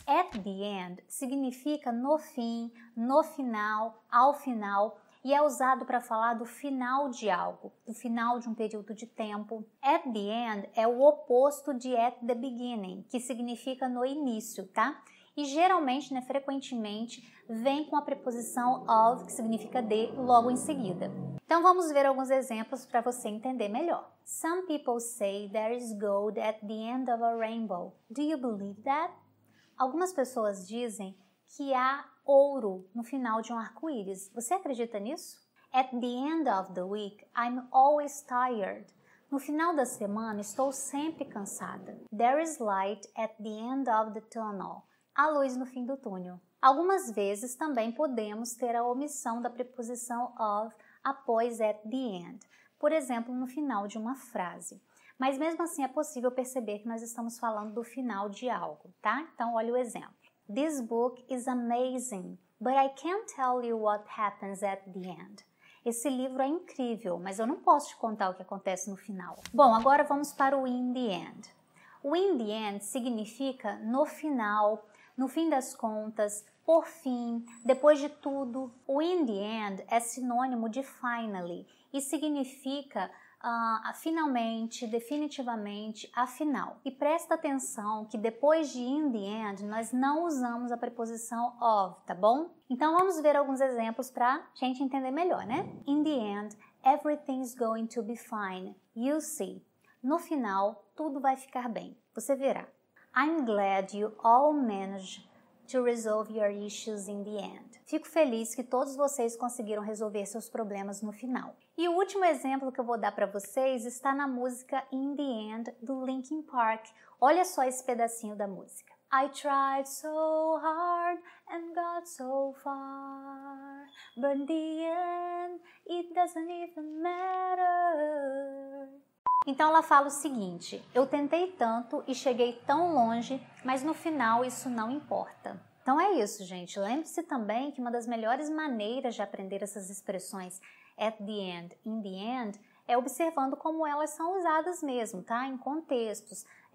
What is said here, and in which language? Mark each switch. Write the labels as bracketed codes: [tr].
[pt] At the end significa no fim, no final, ao final, e é usado para falar do final de algo, do final de um período de tempo. At the end é o oposto de at the beginning, que significa no início, tá? E geralmente, né, frequentemente, vem com a preposição of, que significa de, logo em seguida. Então vamos ver alguns exemplos para você entender melhor. [en] Some people say there is gold at the end of a rainbow. Do you believe that? [pt] Algumas pessoas dizem que há ouro no final de um arco-íris. Você acredita nisso? [en] At the end of the week, I'm always tired. [pt] No final da semana, estou sempre cansada. [en] There is light at the end of the tunnel. [pt] Há luz no fim do túnel. Algumas vezes também podemos ter a omissão da preposição of após at the end. Por exemplo, no final de uma frase. Mas mesmo assim é possível perceber que nós estamos falando do final de algo, tá? Então olha o exemplo. [en] This book is amazing, but I can't tell you what happens at the end. [pt] Esse livro é incrível, mas eu não posso te contar o que acontece no final. Bom, agora vamos para o in the end. O in the end significa no final, no fim das contas, por fim, depois de tudo. O in the end é sinônimo de finally e significa finalmente, definitivamente, afinal. E presta atenção que depois de in the end, nós não usamos a preposição of, tá bom? Então vamos ver alguns exemplos pra gente entender melhor, né? [en] In the end, everything's going to be fine. You'll see. [pt] No final, tudo vai ficar bem. Você verá. [en] I'm glad you all managed to resolve your issues in the end. [pt] Fico feliz que todos vocês conseguiram resolver seus problemas no final. E o último exemplo que eu vou dar para vocês está na música In the End, do Linkin Park. Olha só esse pedacinho da música. [en] I tried so hard and got so far, but in the end it doesn't even matter. [pt] Então ela fala o seguinte, eu tentei tanto e cheguei tão longe, mas no final isso não importa. Então é isso, gente. Lembre-se também que uma das melhores maneiras de aprender essas expressões at the end, in the end, é observando como elas são usadas mesmo, tá? Em contextos.